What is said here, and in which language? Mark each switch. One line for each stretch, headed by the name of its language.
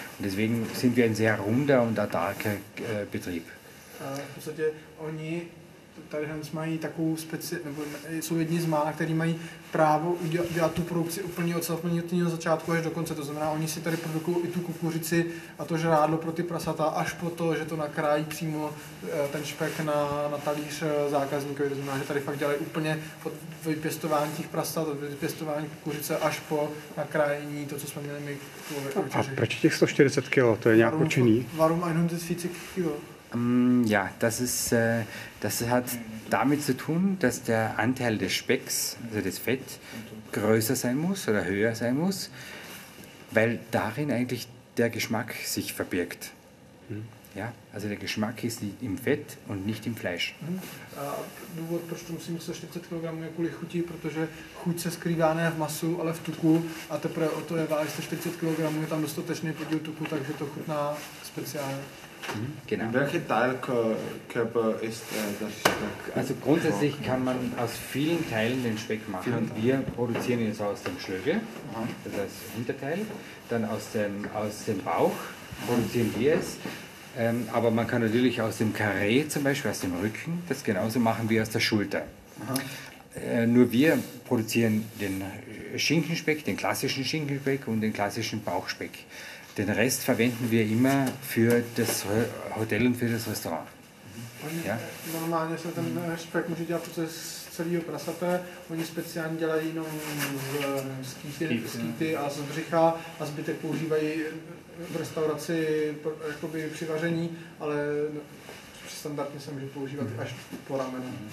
German: Und deswegen sind wir ein sehr runder und autarker Betrieb.
Czech: V podstatě oni tady mají takovou nebo jsou jedni z mála, kteří mají právo udělat tu produkci úplně od samého začátku až do konce. To znamená, oni si tady produkují i tu kukuřici a to žrádlo pro ty prasata až po to, že to nakrájí přímo ten špek na talíř zákazníkovi. To znamená, že tady fakt dělají úplně od vypěstování těch prasat, od vypěstování kukuřice až po nakrájení to, co jsme měli my. A proč těch 140 kilo? To je nějak určený?
German: Warum 140 kilo? Ja, das hat damit zu tun, dass der Anteil des Specks, also des Fett, größer sein muss oder höher sein muss, weil darin eigentlich der Geschmack sich verbirgt. Ja, also der Geschmack ist im Fett und nicht im Fleisch.
Czech: Důvod, proč to musí mít 140 kg, je kvůli chuti, protože chuť se skrývá ne v masu, ale v tuku a teprve o to je váží 140 kg, je tam dostatečný podíl tuku, takže to chutná speciálně.
German: Genau. Welcher Teilkörper ist das Speck? Also grundsätzlich kann man aus vielen Teilen den Speck machen. Wir produzieren ihn aus dem Schlögel, das heißt Hinterteil. Dann aus dem Bauch produzieren wir es. Aber man kann natürlich aus dem Karree zum Beispiel, aus dem Rücken, das genauso machen wie aus der Schulter. Nur wir produzieren den Schinkenspeck, den klassischen Schinkenspeck und den klassischen Bauchspeck. Den Rest verwenden wir immer für das Hotel und für das Restaurant. Ja?
Czech: Normálně se ten špek může dělat z celého prasate. Oni speciálně dělají jenom z kýty a z břicha a zbytek používají v restauraci jakoby při vaření, ale standardně se může používat až po ramenu.